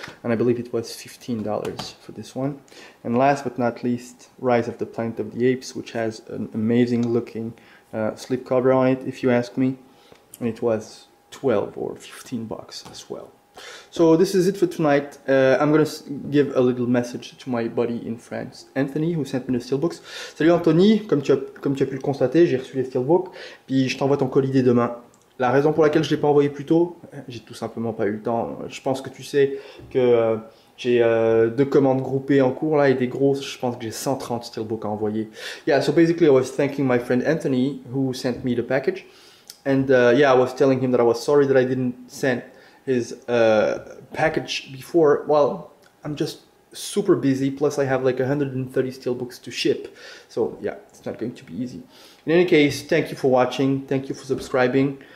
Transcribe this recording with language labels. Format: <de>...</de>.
<en>And I believe it was $15 for this one. And last but not least, Rise of the Planet of the Apes, which has an amazing looking slip cover on it, if you ask me. And it was 12 or 15 bucks as well. So this is it for tonight. I'm going to give a little message to my buddy in France, Anthony, who sent me the steelbooks.</en> <fr>Salut Anthony, comme tu as pu le constater, j'ai reçu les steelbooks. Puis je t'envoie ton colis dès demain. La raison pour laquelle je ne l'ai pas envoyé plus tôt, j'ai tout simplement pas eu le temps. Je pense que tu sais que j'ai 2 commandes groupées en cours là et des grosses, je pense que j'ai 130 steelbooks à envoyer.</fr> <en>Yeah, so basically I was thanking my friend Anthony who sent me the package. And yeah, I was telling him that I was sorry that I didn't send his package before. Well, I'm just super busy, plus I have like 130 steelbooks to ship. So yeah, it's not going to be easy. In any case, thank you for watching, thank you for subscribing.</en>